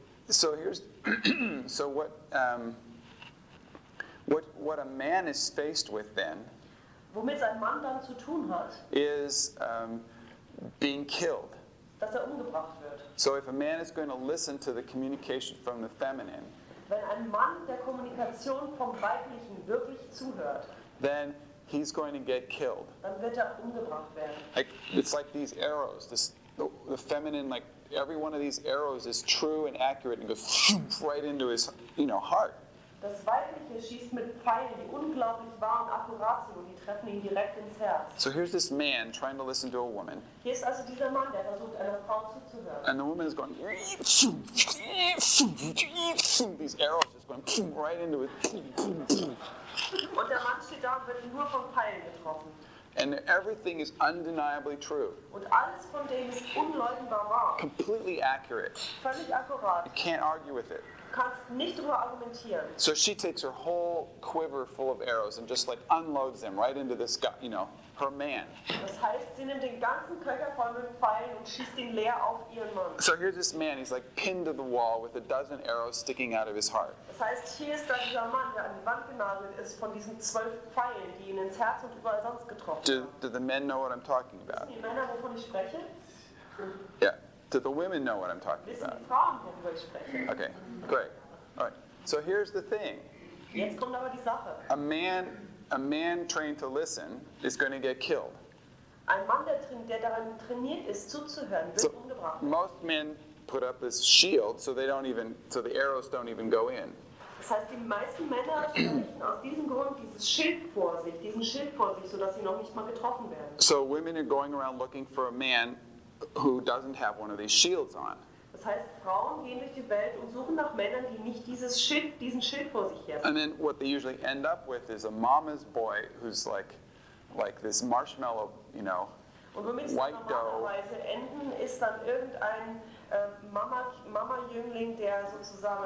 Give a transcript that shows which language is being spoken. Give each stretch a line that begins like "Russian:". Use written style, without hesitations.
English: So here's so what a man is faced with then.
German: Womit sein Mann dann zu tun hat,
English: is being killed.
German: Dass er umgebracht wird.
English: So if a man is going to listen to the communication from the feminine,
German: wenn ein Mann der Kommunikation vom Weiblichen wirklich zuhört,
English: then he's going to get killed.
German: Dann wird er umgebracht werden.
English: It's like these arrows. The feminine, like every one of these arrows is true and accurate and goes right into his, you know, heart.
German: Das Weibliche schießt mit Pfeilen, die unglaublich wahr und akkurat sind, und die treffen ihn direkt ins Herz.
English: So here's this man trying to listen to a woman.
German: Hier ist also dieser Mann, der versucht, einer Frau zuzuhören.
English: And the woman is going, these arrows just going right into it.
German: Und der Mann steht da und wird nur von Pfeilen getroffen.
English: And everything is undeniably true.
German: Und alles von dem ist unleugnbar wahr.
English: Completely accurate.
German: Völlig akkurat.
English: You can't argue with it.
German: kannst nicht drüber argumentieren.
English: So she takes her whole quiver full of arrows and just like unloads them right into this guy, you know, her man.
German: Das heißt, sie nimmt den ganzen Köcher voll mit Pfeilen und schießt ihn leer auf ihren Mann.
English: So here's this man, he's like pinned to the wall with a dozen arrows sticking out of his heart.
German: Das heißt, hier ist dann dieser Mann, der an die Wand genagelt ist von diesen 12 Pfeilen, die ihn ins Herz und überall sonst getroffen haben.
English: Do the men know what I'm talking about?
German: Wissen die Männer, wovon ich spreche?
English: Yeah. Do the women know what I'm talking
German: Wissen
English: about?
German: Die Frauen, worüber ich spreche?
English: Okay, great. All right. So here's the thing.
German: Jetzt kommt aber die Sache.
English: A man trained to listen is going to get killed.
German: Ein Mann, der daran trainiert ist, zuzuhören, wird so umgebracht.
English: Most men put up this shield so the arrows don't even go in.
German: Das heißt, die meisten Männer stellen aus diesem Grund diesen Schild vor sich, sodass sie noch nicht mal getroffen werden.
English: So women are going around looking for a man who doesn't have one of these shields on.
German: Das heißt, Frauen gehen durch die Welt und suchen nach Männern, die nicht diesen Schild vor sich haben.
English: And then what they usually end up with is a mama's boy who's like this marshmallow, you know, white dough.
German: Und womit sie normalerweise enden, ist dann irgendein Mama-Jüngling, der sozusagen